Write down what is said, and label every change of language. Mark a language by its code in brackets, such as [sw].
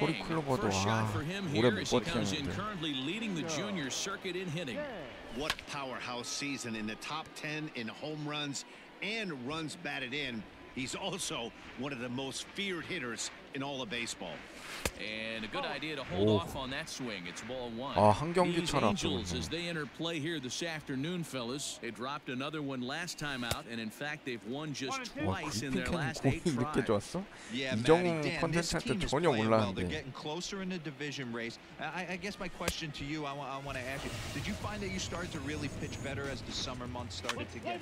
[ko] 코리 클로버도 와 올해 못 버티는데. [en] He's currently leading the junior circuit in hitting. What powerhouse season in the top 10 in home runs and runs batted in. He's also one of the most feared hitters in all of baseball. And a good idea to hold off on that swing. It's ball one. [ko] 아, 한 경기처럼. [en] Angels as they enter play here this afternoon, fellas. They dropped another one last time out, and in fact they've won just twice in their last eight tries. [ko] 늦게 줬어? 이정웅 컨텐츠 할 때 전혀 몰랐는데. [en] They're getting closer in the division race. I guess my question to you, I want to ask you, did you find that you started to really pitch better as the summer months started to get?